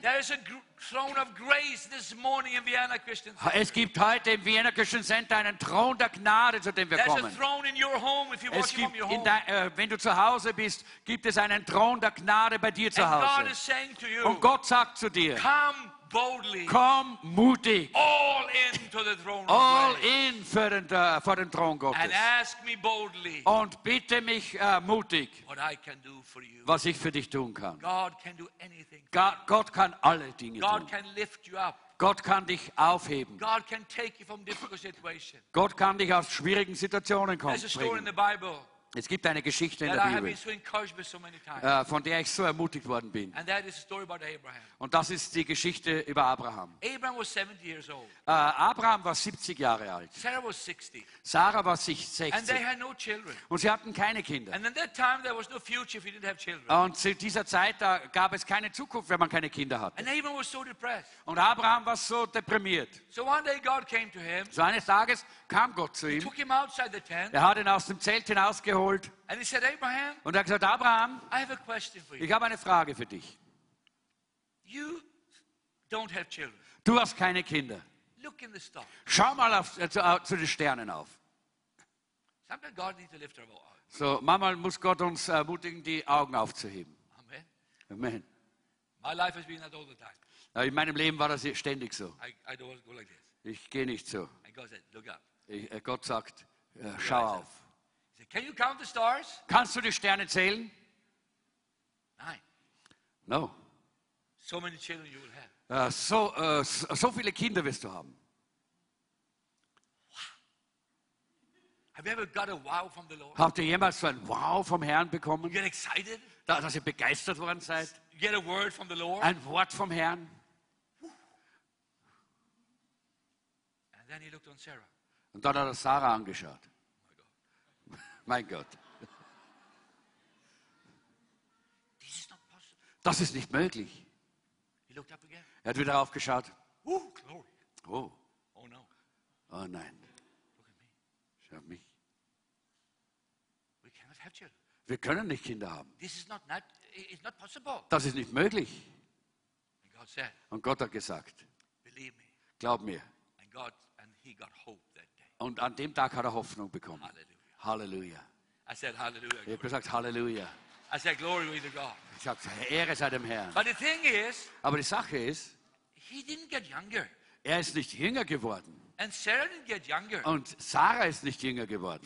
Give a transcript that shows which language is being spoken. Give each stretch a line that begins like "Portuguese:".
English: There is a throne of grace this morning in Vienna Christian Center.
German: Es gibt heute im Vienna Christian Center einen Thron der Gnade, zu dem wir
English: there's
German: kommen.
English: A throne in your home if you're watching from your home.
German: Wenn du zu Hause bist, gibt es einen Thron der Gnade bei dir zu Hause.
English: And God is saying to you,
German: und Gott sagt zu dir,
English: come boldly.
German: Komm mutig.
English: All in to the throne of all grace.
German: In für den Thron Gottes.
English: And ask me boldly.
German: Und bitte mich mutig.
English: What I can do for you.
German: Was ich für dich tun kann.
English: God can do anything.
German: Gott kann alle Dinge
English: God
German: tun.
English: Can lift you up.
German: Gott kann dich aufheben.
English: God can take you from difficult situations.
German: Gott kann dich aus schwierigen Situationen kommen.
English: There's a story in the Bible.
German: Es gibt eine Geschichte in
English: that
German: der Bibel, von der ich so ermutigt worden bin.
English: And that is a story about Abraham.
German: Und das ist die Geschichte über Abraham.
English: Abraham, was 70 years old.
German: Abraham war 70 Jahre alt.
English: Sarah, was 60.
German: Sarah war 60.
English: And they had no children.
German: Und sie hatten keine Kinder.
English: And in that time, there was no future if you didn't have children.
German: Und zu dieser Zeit da gab es keine Zukunft, wenn man keine Kinder hatte.
English: And Abraham was so depressed.
German: Und Abraham war so deprimiert.
English: So one day God came to him.
German: So eines Tages kam Gott zu ihm.
English: He took him outside the tent.
German: Er hat ihn aus dem Zelt hinausgeholt.
English: And he said, Abraham,
German: und er gesagt, Abraham,
English: I have a question for you.
German: Ich habe eine Frage für dich.
English: You don't have children.
German: Du hast keine Kinder.
English: Look in the stars.
German: Schau mal zu den Sternen auf.
English: Sometimes God needs to lift our eyes.
German: So, manchmal muss Gott uns ermutigen, die Augen aufzuheben. Amen. Amen.
English: My life has been that all the time.
German: In meinem Leben war das ständig so.
English: I don't go like this.
German: Ich gehe nicht so.
English: And God said, look up.
German: Gott sagt, schau auf.
English: Can you count the stars?
German: Kannst du die Sterne zählen? Nein.
English: No. So many children you will have.
German: So viele Kinder wirst du haben.
English: Wow. Have you ever got a wow from the Lord?
German: Habt ihr jemals so ein Wow vom Herrn bekommen?
English: You get excited?
German: Dass ihr begeistert worden seid?
English: You get a word from the Lord?
German: Ein Wort vom Herrn?
English: And then he looked on Sarah.
German: Und dann hat er Sarah angeschaut. Mein Gott.
English: This is not possible.
German: Das ist nicht möglich.
English: He looked up again.
German: Er hat wieder aufgeschaut.
English: Glory. Oh. Oh, no.
German: Oh nein.
English: Look at me.
German: Schau auf mich.
English: We cannot have children.
German: Wir können nicht Kinder haben.
English: This is not possible.
German: Das ist nicht möglich.
English: And God said,
German: und Gott hat gesagt,
English: believe me.
German: Glaub mir.
English: And God, and he got hope that day.
German: Und an dem Tag hat er Hoffnung bekommen. Halleluja. Hallelujah.
English: I said Hallelujah.
German: Ich habe gesagt Hallelujah.
English: I said Glory be to God.
German: Ich habe gesagt Ehre sei dem Herrn.
English: But the thing is,
German: aber die Sache ist,
English: he didn't get younger.
German: Er ist nicht jünger geworden.
English: And Sarah didn't get younger.
German: Und Sarah ist nicht jünger geworden.